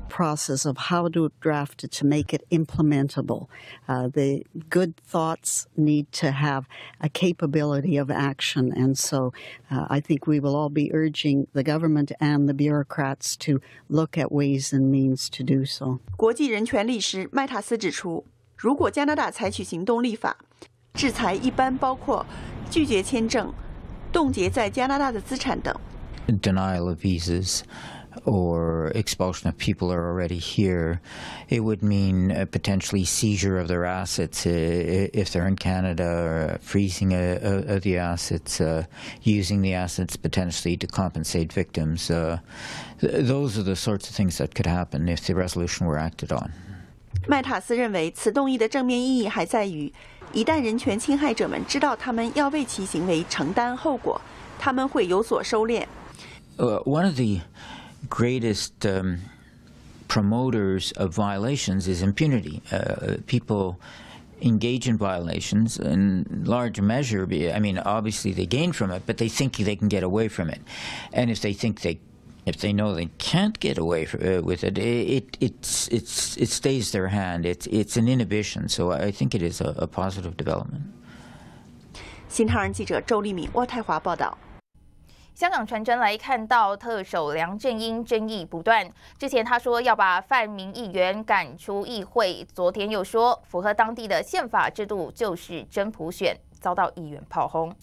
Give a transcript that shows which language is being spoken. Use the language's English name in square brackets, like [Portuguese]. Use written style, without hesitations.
[English] Process of how to draft it to make it implementable. The good thoughts need to have a capability of action, and so I think we will all be urging the government and the bureaucrats to look at ways and means to do so. [Chinese] 国际人权律师麦塔斯指出，如果加拿大采取行动立法，制裁一般包括拒绝签证、冻结在加拿大的资产等。 [English] Denial of visas. Or expulsion of people who are already here, it would mean a potentially seizure of their assets if they're in Canada, or freezing of the assets, using the assets potentially to compensate victims. Those are the sorts of things that could happen if the resolution were acted on. [Chinese] 麦塔斯认为，此动议的正面意义还在于，一旦人权侵害者们知道他们要为其行为承担后果，他们会有所收敛。 [English] One of the greatest promoters of violations is impunity. People engage in violations in large measure. I mean, obviously they gain from it, but they think they can get away from it. And if they think they, if they know they can't get away with it, it stays their hand. It's an inhibition. So I think it is a positive development. [Chinese] 新唐人记者周立敏，渥太华报道。香港传真来看到特首梁振英争议不断，之前他说要把泛民议员赶出议会，昨天又说符合当地的宪法制度就是真普选，遭到议员炮轰。